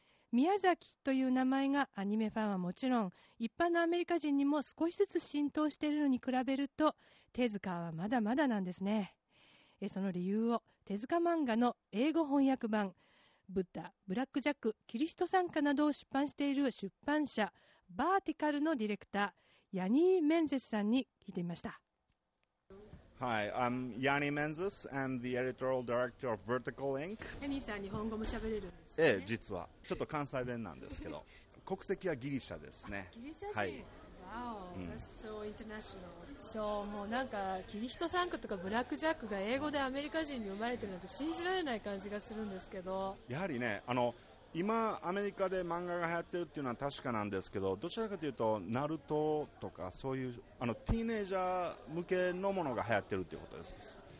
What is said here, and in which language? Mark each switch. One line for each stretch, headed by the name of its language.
Japanese: 宮崎という名前がアニメファンはもちろん一般のアメリカ人にも少しずつ浸透しているのに比べると、テズカはまだまだなんですね。その理由を手塚漫画の英語翻訳版ブッダ、ブラックジャック、キリスト参加などを出版している出版社バーティカルのディレクターヤニー・メンゼスさんに聞いてみました。
English: Hi, I'm Yanni Menzies. I'm the editorial director of Vertical Inc.
Japanese: ヤニーさん、日本語も喋れるんですか、ね、ええ、実はちょっと関西弁なんですけど国籍はギリシャですね。ギリシャ人、はい、
English: Wow, that's so international.
Japanese: そう、もうなんかキリヒトサンクとかブラックジャックが英語でアメリカ人に生まれてるなんて信じられない感じがするんですけど、やはりね、あの今アメリカで漫画が流行ってるっていうのは確かなんですけど、どちらかというとナルトとかそういうあのティーネイジャー向けのものが流行ってるっていうことです。